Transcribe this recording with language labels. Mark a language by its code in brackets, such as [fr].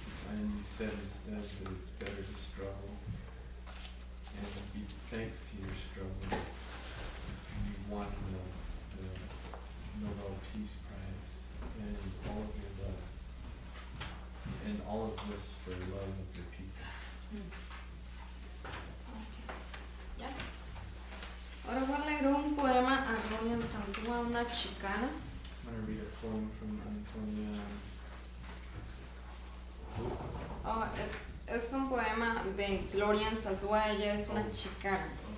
[en] And you said instead that it's better to struggle, and it'd be thanks to your struggle you won the Nobel Peace Prize, and all of your love, and all of this for love of your people. [es] Ahora voy a leer un poema a Antonia Santúa, una chicana. [en] I'm going to read a poem from Antonia. [es] Es un poema de Gloria Santúa, ella es una chicana.